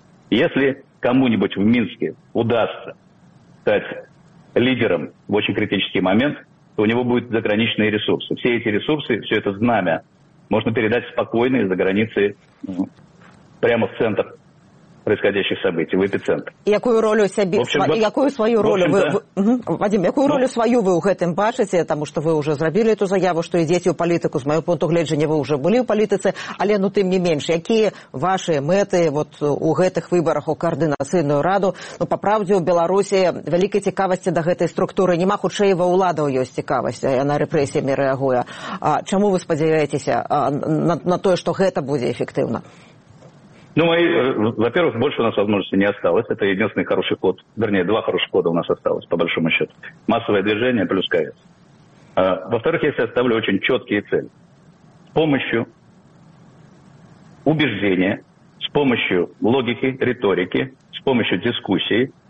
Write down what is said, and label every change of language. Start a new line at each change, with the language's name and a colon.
Russian: Если кому-нибудь в Минске удастся стать лидером в очень критический момент, то у него будут заграничные ресурсы. Все эти ресурсы, все это знамя можно передать спокойно из-за границы прямо в центр происходящих событий, в эпицентр.
Belarusian: Якую ролю сябе, якую свою ролю вы, Вадим, якую ролю свою вы у гэтым бачыце, таму што вы ўжо зрабілі эту заяву, што ідзеце ў палітыку, з майго пункту гледжання вы ўжо былі ў палітыцы, але тым не менш, якія вашы мэты вот у гэтых выбарах у каардынацыйную раду? Ну па праўдзе ў Беларусі вялікай цікавасці да гэтай структуры няма, хутчэй ва ўладаў ёсць цікавасць, яна рэпрэсіямі рэагуе. А чаму вы спадзяецеся на тое, што гэта будзе эфектыўна?
Russian: Ну, во-первых, больше у нас возможностей не осталось. Это единственный хороший ход. Вернее, два хороших хода у нас осталось, по большому счету. Массовое движение плюс КС. Во-вторых, я себе ставлю очень четкие цели. С помощью убеждения, с помощью логики, риторики, с помощью дискуссии